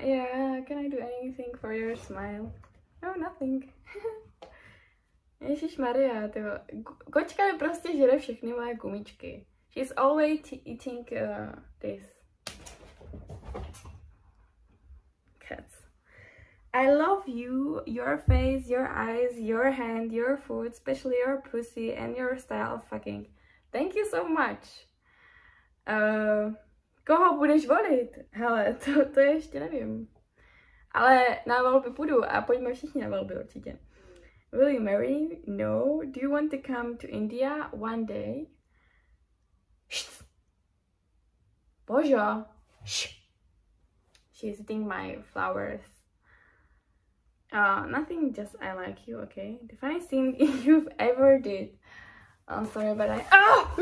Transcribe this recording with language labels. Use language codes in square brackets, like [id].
[en] Yeah, can I do anything for your smile? No, nothing. [cs] Ježišmarja, tyjo. Kočka mi prostě žere všechny moje gumičky. [en] She's always eating this. Cats. I love you, your face, your eyes, your hand, your food, especially your pussy and your style of fucking. Thank you so much. [cs] Koho budeš volit? Hele, to ještě nevím. Ale na volby půjdu a pojďme všichni na volby určitě. [en] Will you marry? No. Do you want to come to India one day? Shh. Bože. Shh. She's eating my flowers. Nothing, just I like you, okay? The funniest thing you've ever did. I'm sorry, but I... Ah!